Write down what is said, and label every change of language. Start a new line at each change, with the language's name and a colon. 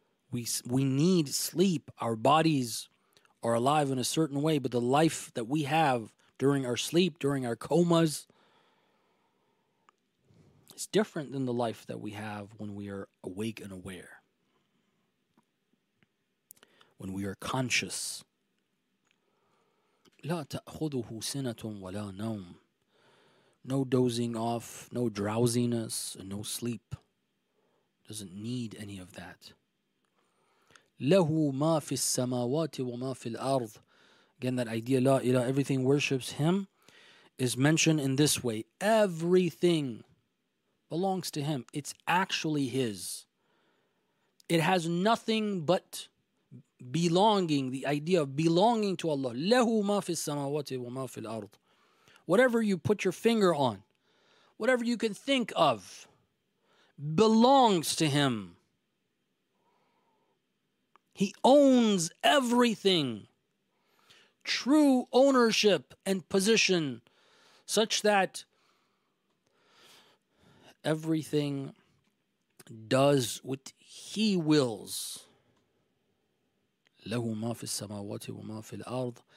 English: We need sleep. Our bodies are alive in a certain way, but the life that we have during our sleep, during our comas, is different than the life that we have when we are awake and aware, when we are conscious.
Arabic: لا تأخذه سنة ولا نوم.
English: No dozing off, no drowsiness, and no sleep. Doesn't need any of that.
Arabic: له ما في السماوات وما في الأرض.
English: Again, that idea,
Arabic: لا إله,
English: everything worships him, is mentioned in this way. Everything belongs to him. It's actually his. It has nothing but belonging, the idea of belonging to Allah.
Arabic: له ما في السماوات وما في الأرض.
English: Whatever you put your finger on, whatever you can think of, belongs to him. He owns everything. True ownership and position, such that everything does what he wills.
Arabic: له ما في السماوات وما في الأرض.